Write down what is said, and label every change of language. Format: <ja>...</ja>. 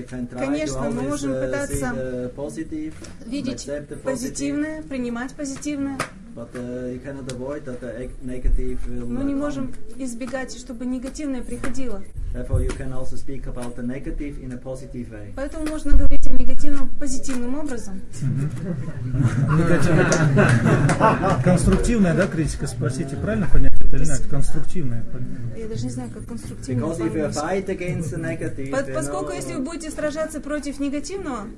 <ru>Конечно, мы можем пытаться</ru> <en>positive,</en> <ru>видеть</ru> <en>positive,</en> <ru>позитивное, принимать позитивное.</ru> <en>But, you cannot avoid that the negative will</en> <ru>мы не можем избегать, чтобы негативное приходило.</ru> <en>Therefore, you can also speak about the negative in a positive way.</en> <ru>Поэтому можно говорить о негативном позитивным образом. Конструктивная, да, критика? Спросите, правильно понять это или нет? Конструктивная. Я даже не знаю, как конструктивно.</ru> <en>Because if you fight against the negative,</en> <ru>поскольку если вы будете сражаться против негативного,</ru>